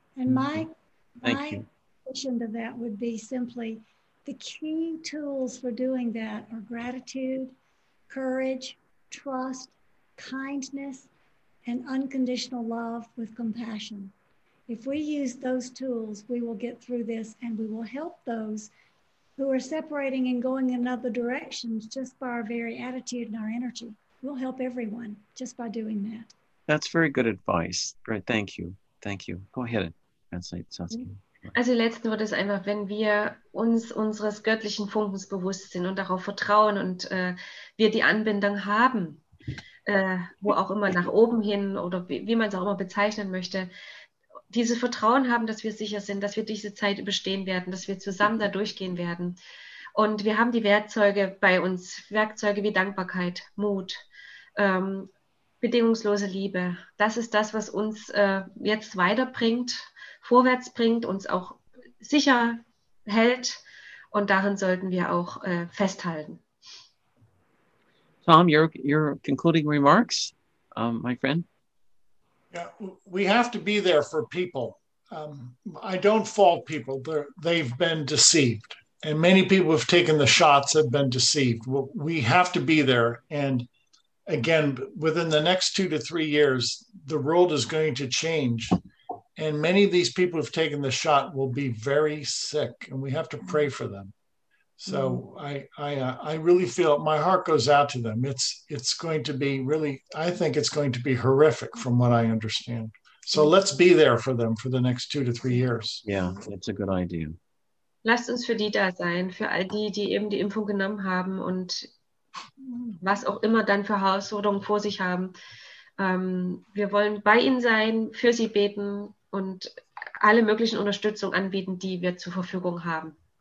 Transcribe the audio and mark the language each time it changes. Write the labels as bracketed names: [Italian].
[English] And my addition to that would be simply the key tools for doing that are gratitude, courage, trust, kindness, and unconditional love with compassion. If we use those tools, we will get through this and we will help those who are separating and going in other directions just by our very attitude and our energy. We'll help everyone just by doing that. That's very good advice. Great. Thank you. Thank you. Go ahead and translate, Saskia. [German] Also letzten Wort ist einfach, wenn wir uns unseres göttlichen Funkens bewusst sind und darauf vertrauen und wir die Anbindung haben, wo auch immer nach oben hin oder wie man es auch immer bezeichnen möchte, dieses Vertrauen haben, dass wir sicher sind, dass wir diese Zeit überstehen werden, dass wir zusammen da durchgehen werden. Und wir haben die Werkzeuge bei uns, Werkzeuge wie Dankbarkeit, Mut, bedingungslose Liebe. Das ist das, was uns jetzt weiterbringt, vorwärts bringt, uns auch sicher hält. Und darin sollten wir auch festhalten. [English] Tom, your concluding remarks. my friend? Yeah, we have to be there for people. I don't fault people. They've been deceived. And many people who've taken the shots have been deceived. We have to be there. And again, within the next 2 to 3 years, the world is going to change. And many of these people who've taken the shot will be very sick, and we have to pray for them. So I really feel my heart goes out to them. It's going to be really, I think it's going to be horrific from what I understand. So let's be there for them for the next 2 to 3 years. Yeah, that's a good idea. [German] Lasst uns für die da sein, für all die, die eben die Impfung genommen haben und was auch immer dann für Herausforderungen vor sich haben. Wir wollen bei ihnen sein, für sie beten und alle möglichen Unterstützung anbieten, die wir zur Verfügung haben.